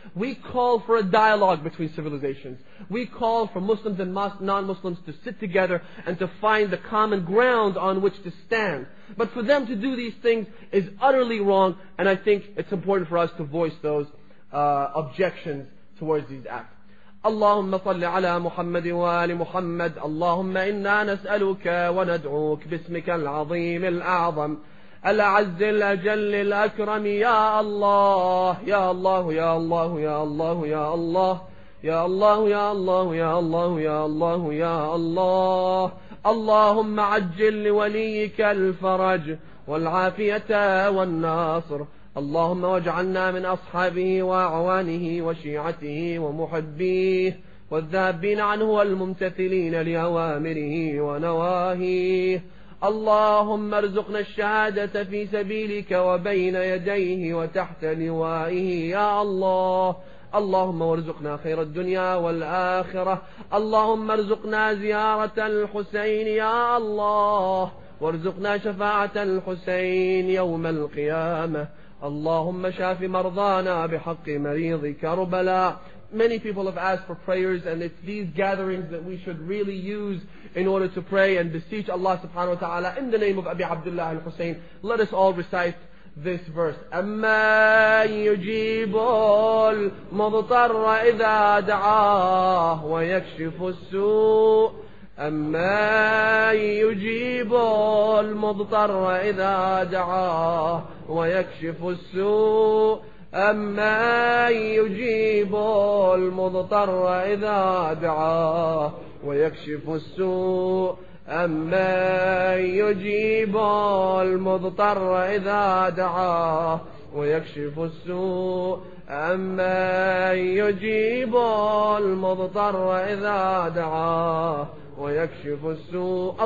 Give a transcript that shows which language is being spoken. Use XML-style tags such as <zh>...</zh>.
<en>We call for a dialogue between civilizations. We call for Muslims and non-Muslims to sit together and to find the common ground on which to stand. But for them to do these things is utterly wrong, and I think it's important for us to voice those objections towards these acts.</en> <ar>اللهم صل على محمد وآل محمد. اللهم إنا نسألك وندعوك باسمك العظيم الأعظم الأعز الأجل الأكرم يا الله يا الله يا الله يا الله يا الله يا الله يا الله يا الله يا الله يا الله. اللهم عجل لوليك الفرج والعافية والناصر. اللهم واجعلنا من أصحابه وأعوانه وشيعته ومحبيه والذابين عنه والممتثلين لأوامره ونواهيه. اللهم ارزقنا الشهادة في سبيلك وبين يديه وتحت لوائه يا الله. اللهم وارزقنا خير الدنيا والآخرة. اللهم ارزقنا زيارة الحسين يا الله وارزقنا شفاعة الحسين يوم القيامة. اللهم شافي مرضانا بحق مريض كربلاء.</ar> <en>Many people have asked for prayers, and it's these gatherings that we should really use in order to pray and beseech Allah subhanahu wa ta'ala in the name of Abi Abdullah al-Husayn. Let us all recite this verse.</en> <ar>أَمَّا يُجِيبُ الْمُضْطَرَّ إِذَا دَعَاهُ وَيَكْشِفُ السُّوءُ أَمَّا يُجِيبُ الْمُضْطَرَّ إِذَا دَعَاهُ وَيَكْشِفُ السُّوءُ أَمَّا يُجِيبُ الْمُضْطَرَّ إِذَا دَعَاهُ وَيَكْشِفُ السُّوءُ أَمَّا يُجِيبُ الْمُضْطَرَّ إِذَا دَعَاهُ وَيَكْشِفُ السُّوءُ أَمَّا يُجِيبُ الْمُضْطَرَّ إِذَا دَعَاهُ وَيَكْشِفُ السُّوءُ.</ar>